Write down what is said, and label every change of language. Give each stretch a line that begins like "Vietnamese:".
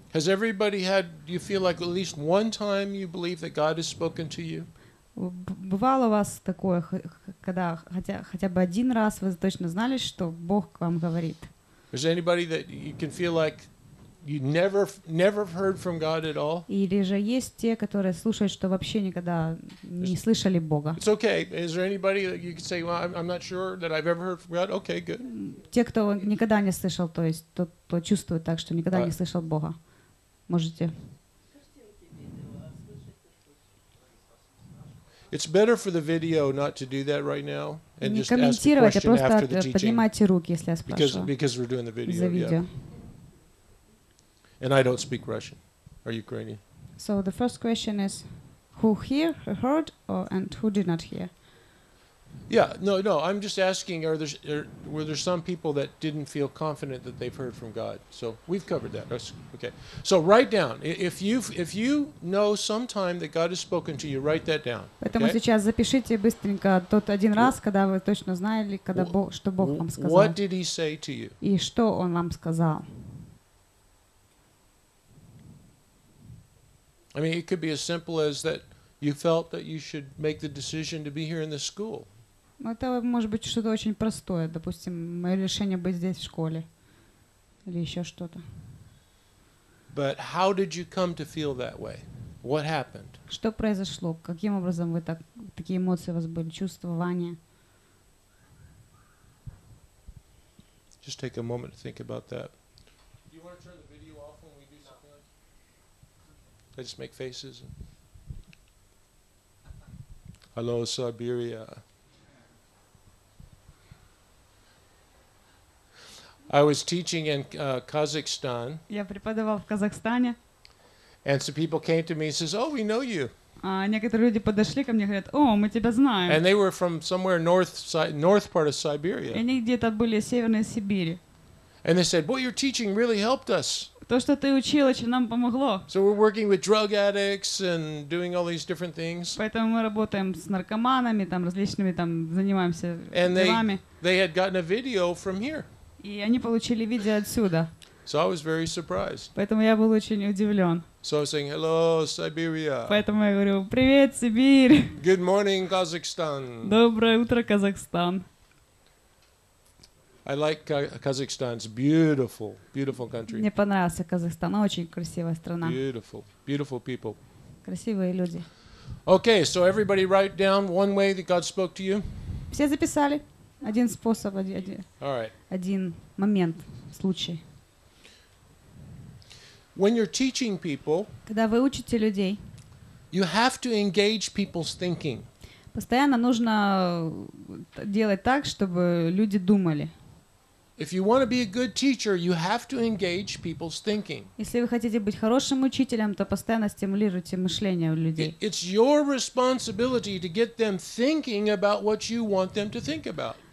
English: Has everybody had, do you feel like at least one time you believe that God has spoken to you?
Russian: Бывало у вас такое, когда хотя бы один раз вы точно знали, что Бог к вам говорит?
English: Is anybody that you can feel like you never heard from God at all?
Russian: Или же есть те, которые слушают, что вообще никогда не слышали Бога?
English: It's okay. Is there anybody that you could say, well, I'm not sure that I've ever heard from God? Okay, good.
Russian: Те, кто никогда не слышал, то есть тот, кто чувствует так, что никогда не слышал Бога. Можете.
English: It's better for the video not to do that right now and
Russian: не
English: just ask the question after the teaching.
Russian: Поднимайте руки, если я спрашиваю.
English: Because we're doing the video.
Russian: За видео.
English: And I don't speak Russian or Ukrainian. So the first question is, who here heard or and who did not hear? Yeah, no. I'm just asking, were there some people that didn't feel confident that they've heard from God? So we've covered that. Okay. So write down if you know sometime that God has spoken to you, write that down.
Russian: Поэтому сейчас запишите быстренько тот один раз, когда вы точно знали, когда Бог, что Бог вам сказал.
English: What did He say to you?
Russian: И что Он вам сказал?
English: I mean, it could be as simple as that you felt that you should make the decision to be here in the school.
Russian: Это может быть что-то очень простое, допустим, мое решение быть здесь в школе или еще что-то.
English: But how did you come to feel that way? What happened?
Russian: Что произошло? Каким образом вы такие эмоции у вас были, чувствования?
English: Just take a moment to think about that. Do you want to turn the video off when we do something like that? I just make faces. Hello, Siberia. I was teaching in Kazakhstan.
Russian: Я преподавал в Казахстане.
English: And some people came to me and says, "Oh, we know you."
Russian: А некоторые люди подошли ко мне и говорят: "О, мы тебя знаем."
English: And they were from somewhere north part of Siberia.
Russian: Они где-то были из северной Сибири.
English: And they said, "Boy, your teaching really helped us."
Russian: То, что ты учил, очень нам помогло.
English: So we're working with drug addicts and doing all these different things.
Russian: Поэтому мы работаем с наркоманами, там различными, там занимаемся делами.
English: They had gotten a video from here.
Russian: И они получили видео отсюда.
English: So I was very surprised.
Russian: Поэтому я был очень удивлен.
English: So I was saying, "Hello, Siberia."
Russian: Поэтому я говорю: "Привет, Сибирь."
English: Good morning, Kazakhstan.
Russian: Доброе утро, Казахстан.
English: I like Kazakhstan. It's beautiful, beautiful country.
Russian: Мне понравился Казахстан. Очень красивая страна.
English: Beautiful, beautiful people.
Russian: Красивые люди.
English: Okay, so everybody write down one way that God spoke to you.
Russian: Все записали. Один способ, один момент, случай.
English: When you're teaching people,
Russian: когда вы учите людей,
English: you have to engage people's thinking.
Russian: Постоянно нужно делать так, чтобы люди думали.
English: If you want to be a good teacher, you have to engage people's thinking.
Russian: Если вы хотите быть хорошим учителем, то постоянно стимулируйте мышление у людей.
English: It's your responsibility to get them thinking about what you want them to think about.